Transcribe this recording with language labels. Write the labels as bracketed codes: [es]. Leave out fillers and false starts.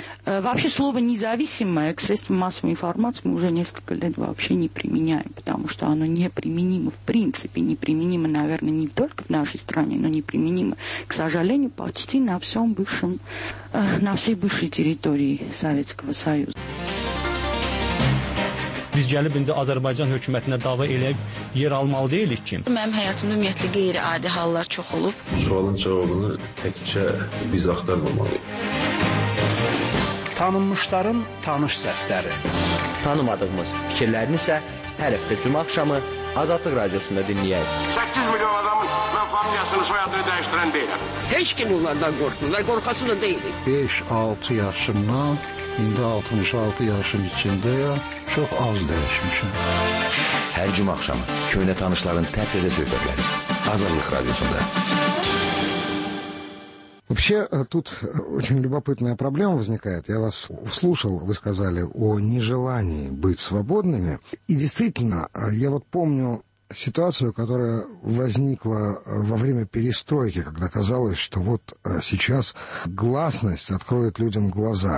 [ru] Вообще слово «независимое» к средствам массовой информации мы уже несколько лет вообще не применяем, потому что оно неприменимо в принципе, неприменимо, наверное, не только в нашей стране, но неприменимо, к сожалению, почти на всем бывшем, на всей бывшей территории Советского Союза. [az] Biz gəlib indi Azərbaycan hökumətinə dava eləyib yer almalı deyilik ki. Mənim həyatımda ümumiyyətlə qeyri-adi hallar çox olub. Sualın cavabını təkcə biz axtarmamalıyıq. Tanınmışların tanış səsləri. Tanımadığımız fikirlərini isə hər həftə cümə axşamı Azadlıq Radiosunda dinləyək. 8 milyon adamın familiyasını, soyadını dəyişdirən deyiləm. Heç kim onlardan qorxmurlar, qorxası da deyilik. 5-6 yaşından indi 66 yaşım içində ya, çox az dəyişmişim. Hər cümə axşamı köhnə tanışların tərtəzə söhbətləri. Azadlıq Radiosunda. [ru] Вообще, тут очень любопытная проблема возникает. Я вас услышал, вы сказали о нежелании быть свободными. И действительно, я вот помню ситуацию, которая возникла во время перестройки, когда казалось, что вот сейчас гласность откроет людям глаза.